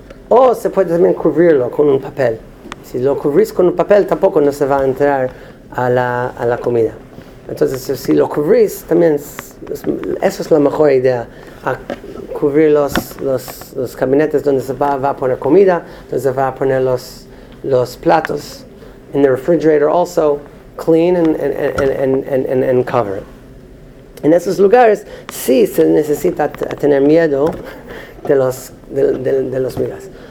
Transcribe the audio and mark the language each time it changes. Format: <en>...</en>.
<es>O se puede también cubrirlo con un papel. Si lo cubrís con un papel, tampoco no se va a entrar a la comida. Entonces, si lo cubrís, también eso es la mejor idea. A cubrir los gabinetes donde se va a poner comida, donde se va a poner los platos.</es> <en>In the refrigerator also, clean and cover it.</en> <es>En esos lugares, sí se necesita tener miedo de los migas.</es>